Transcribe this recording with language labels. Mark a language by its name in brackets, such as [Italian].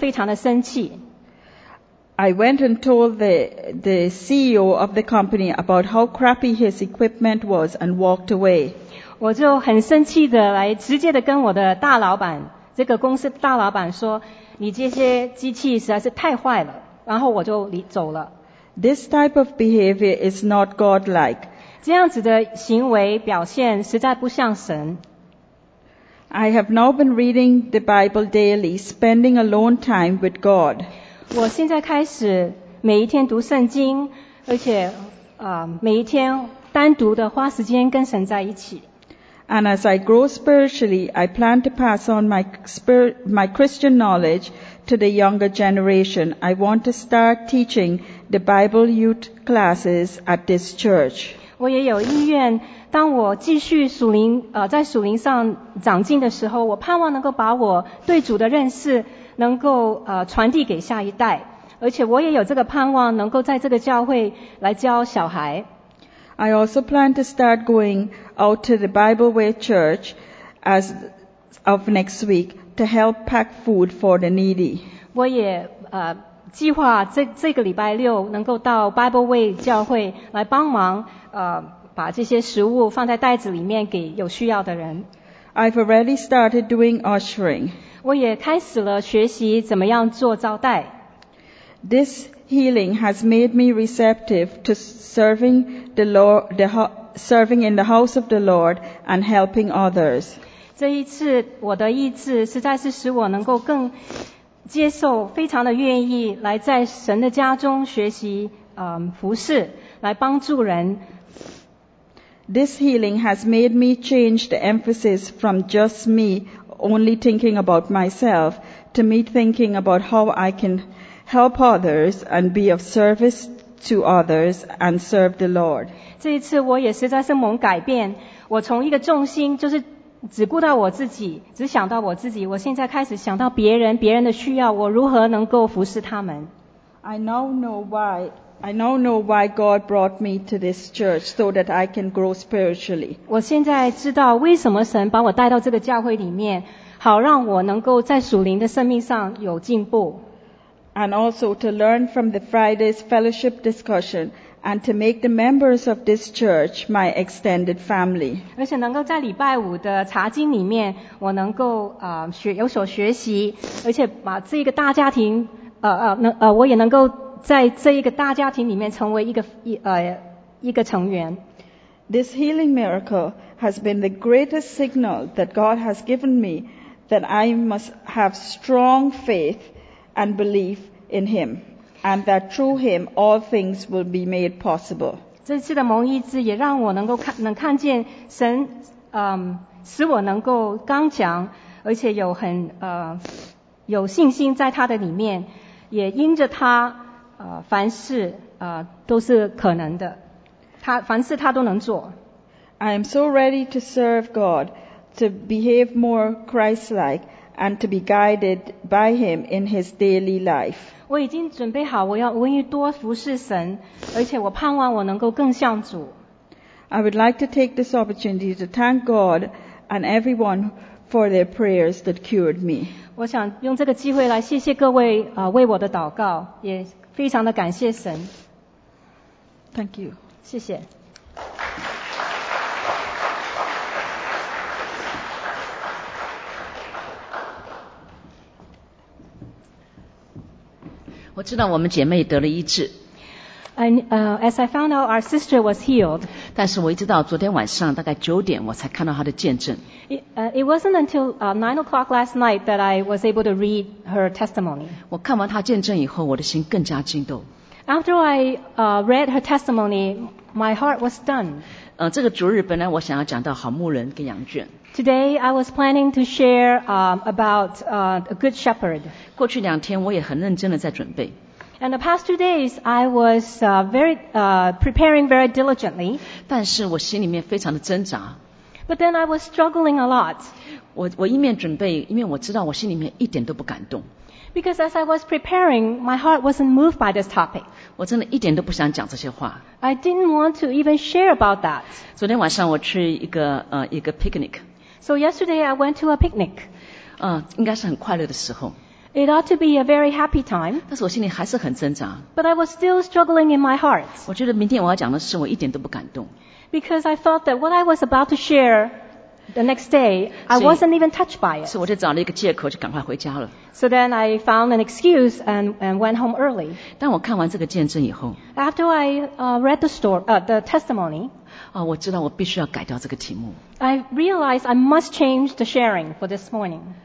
[Chinese] 我给你们一个例子，就是我曾经在一个公司工作，那个地方呢，那些设备常常坏掉，我就非常的生气。 [English] I went and told the CEO of the company about how crappy his equipment was and walked away. [Chinese] 我就很生气的来直接的跟我的大老板这个公司大老板说，你这些机器实在是太坏了，然后我就离走了。 [English] This type of behavior is not God-like. [Chinese] 这样子的行为表现实在不像神。 [English] I have now been reading the Bible daily, spending alone time with God. [Chinese] 我现在开始每一天读圣经，而且每一天单独的花时间跟神在一起。 [English] And as I grow spiritually, I plan to pass on my Christian knowledge to the younger generation. I want to start teaching the Bible youth classes at this church. [Chinese] 我也有意愿，当我继续属灵在属灵上长进的时候，我盼望能够把我对主的认识能够传递给下一代，而且我也有这个盼望能够在这个教会来教小孩。 [English] I also plan to start going out to the Bible Way Church as of next week to help pack food for the needy. [Chinese] 我也计划这个礼拜六能够到 Bible Way 教会来帮忙把这些食物放在袋子里面给有需要的人。 [English] I've already started doing ushering. [Chinese] 我也开始了学习怎么样做招待。 [English] This healing has made me receptive to serving the Lord, serving in the house of the Lord and helping others. [Chinese] 这一次我的医治实在是使我能够更接受，非常的愿意来在神的家中学习服事，来帮助人。 [English] This healing has made me change the emphasis from just me only thinking about myself to me thinking about how I can help others and be of service to others and serve the Lord. [Chinese] 这一次我也实在是蒙改变，我从一个重心就是只顾到我自己，只想到我自己，我现在开始想到别人，别人的需要，我如何能够服侍他们。 [English] I now know why God brought me to this church so that I can grow spiritually. [Chinese] 我现在知道为什么神把我带到这个教会里面，好让我能够在属灵的生命上有进步。 [English] And also to learn from the Friday's fellowship discussion and to make the members of this church my extended family. [Chinese] 而且能够在礼拜五的查经里面，我能够有所学习，而且把这个大家庭我也能够在这一个大家庭里面成为一个成员。 [English] This healing miracle has been the greatest signal that God has given me that I must have strong faith and belief in Him, and that through Him all things will be made possible. [Chinese] 这次的蒙医治也让我能看见神，使我能够刚强，而且有很有信心在他的里面，也因着他。凡事都是可能的，他凡事他都能做。 [English] I am so ready to serve God, to behave more Christ-like, and to be guided by Him in His daily life. [Chinese] 我已经准备好，我愿意多服侍神，而且我盼望我能够更像主。 [English] I would like to take this opportunity to thank God and everyone for their prayers that cured me. [Chinese] 我想用这个机会来谢谢各位为我的祷告，也非常的感谢神。 [English] Thank you. [Chinese] 谢谢。我知道我们姐妹得了医治。 [English] As I found out, our sister was healed. [Chinese] 但是我一直到昨天晚上大概九点我才看到她的见证。 [English] It wasn't until 9 o'clock last night that I was able to read her testimony. [Chinese] 我看完她见证以后，我的心更加激动。 [English] After I read her testimony, my heart was done. [Chinese] 这个主日本来我想要讲到好牧人跟羊圈。 [English] Today I was planning to share about a good shepherd. [Chinese] 过去两天我也很认真的在准备。 [English] And the past 2 days, I was preparing very diligently. [Chinese] 但是我心里面非常的挣扎。 [English] But then I was struggling a lot. [Chinese] 我一面准备，一面我知道我心里面一点都不感动。 [English] Because as I was preparing, my heart wasn't moved by this topic. [Chinese] 我真的一点都不想讲这些话。 [English] I didn't want to even share about that. [Chinese] 昨天晚上我去一个 picnic. [English] So yesterday I went to a picnic. [Chinese] 应该是很快乐的时候。 [English] It ought to be a very happy time. [Chinese] 但是我心里还是很挣扎。 [English] But I was still struggling in my heart. [Chinese] 我觉得明天我要讲的事我一点都不感动。 [English] Because I felt that what I was about to share The next day, I wasn't even touched by it. [Chinese] 所以我就找了一个借口，就赶快回家了。 [English] So then I found an excuse and went home early. [Chinese] 当我看完这个见证以后 [English] ，After I read the story, the testimony. [Chinese] 啊，我知道我必须要改掉这个题目。 [English] I realized I must change the sharing for this morning.